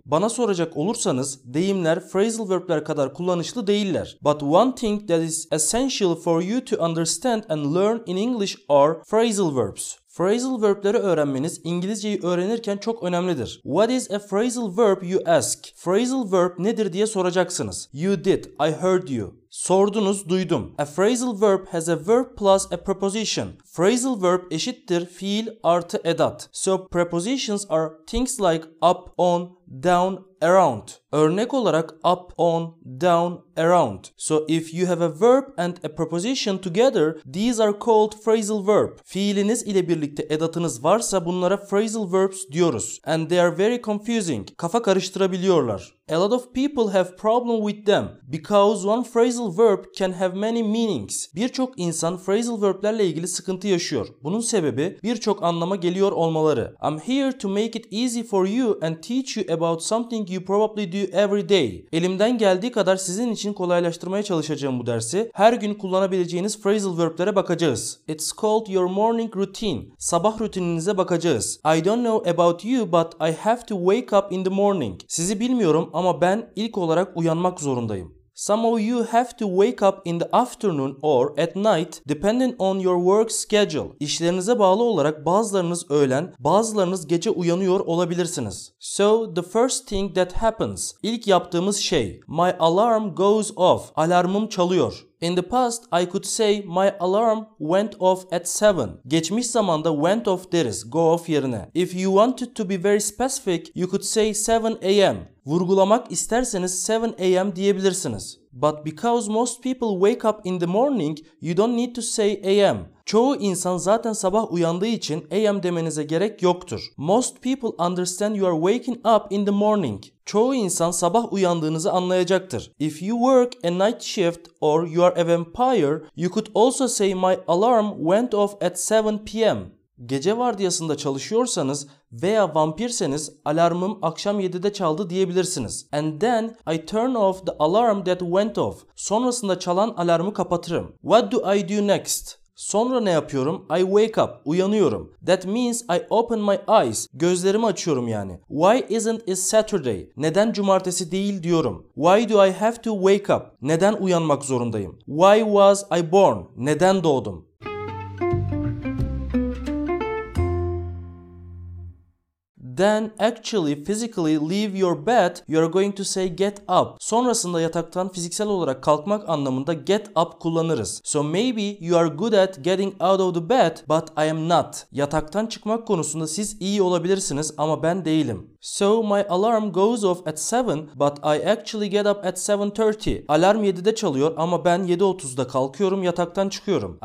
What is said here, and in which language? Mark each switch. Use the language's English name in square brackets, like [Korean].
[Turkish] Bana soracak olursanız, deyimler phrasal verbler kadar kullanışlı değiller. [English] But one thing that is essential for you to understand and learn in English are phrasal verbs. [Turkish] Phrasal verbleri öğrenmeniz İngilizceyi öğrenirken çok önemlidir. [English] What is a phrasal verb you ask? [Turkish] Phrasal verb nedir diye soracaksınız. [English] You did, I heard you. [Turkish] Sordunuz, duydum. [English] A phrasal verb has a verb plus a preposition. Phrasal verb [Turkish] eşittir fiil artı edat. [English] So prepositions are things like up, on, down, around. [Turkish] Örnek olarak up, on, down, around. [English] So if you have a verb and a preposition together, these are called phrasal verb. [Turkish] Fiiliniz ile birlikte edatınız varsa bunlara phrasal verbs diyoruz. [English] And they are very confusing. [Turkish] Kafa karıştırabiliyorlar. [English] A lot of people have problem with them because one phrasal verb can have many meanings. [Turkish] Birçok insan phrasal verblerle ilgili sıkıntı yaşıyor. Bunun sebebi birçok anlama geliyor olmaları. [English] I'm here to make it easy for you and teach you about something you probably do every day. [Turkish] Elimden geldiği kadar sizin için kolaylaştırmaya çalışacağım bu dersi. Her gün kullanabileceğiniz phrasal verblere bakacağız. [English] It's called your morning routine. [Turkish] Sabah rutininize bakacağız. [English] I don't know about you but I have to wake up in the morning. [Turkish] Sizi bilmiyorum ama ben ilk olarak uyanmak zorundayım. [English] Some of you have to wake up in the afternoon or at night depending on your work schedule. [Turkish] İşlerinize bağlı olarak bazılarınız öğlen, bazılarınız gece uyanıyor olabilirsiniz. [English] So the first thing that happens. [Turkish] İlk yaptığımız şey. [English] My alarm goes off. [Turkish] Alarmım çalıyor. [English] In the past, I could say my alarm went off at 7. [Turkish] Geçmiş zamanda went off deriz, go off yerine. [English] If you wanted to be very specific, you could say 7 a.m. [Turkish] Vurgulamak isterseniz 7 a.m. diyebilirsiniz. [English] But because most people wake up in the morning, you don't need to say a.m. [Turkish] Çoğu insan zaten sabah uyandığı için a.m. demenize gerek yoktur. [English] Most people understand you are waking up in the morning. [Turkish] Çoğu insan sabah uyandığınızı anlayacaktır. [English] If you work a night shift or you are a vampire, you could also say my alarm went off at 7 p.m. [Turkish] Gece vardiyasında çalışıyorsanız veya vampirseniz alarmım akşam 7'de çaldı diyebilirsiniz. [English] And then I turn off the alarm that went off. [Turkish] Sonrasında çalan alarmı kapatırım. [English] What do I do next? [Turkish] Sonra ne yapıyorum? [English] I wake up. [Turkish] Uyanıyorum. [English] That means I open my eyes. [Turkish] Gözlerimi açıyorum yani. [English] Why isn't it Saturday? [Turkish] Neden cumartesi değil diyorum. [English] Why do I have to wake up? [Turkish] Neden uyanmak zorundayım? [English] Why was I born? [Turkish] Neden doğdum? [English] Then actually physically leave your bed, you're going to say get up. [Turkish] Sonrasında yataktan fiziksel olarak kalkmak anlamında get up kullanırız. [English] So maybe you are good at getting out of the bed, but I am not. [Turkish] Yataktan çıkmak konusunda siz iyi olabilirsiniz ama ben değilim. [English] So my alarm goes off at 7, but I actually get up at 7:30. [Turkish] Alarm 7'de çalıyor ama ben 7:30'da kalkıyorum, yataktan çıkıyorum.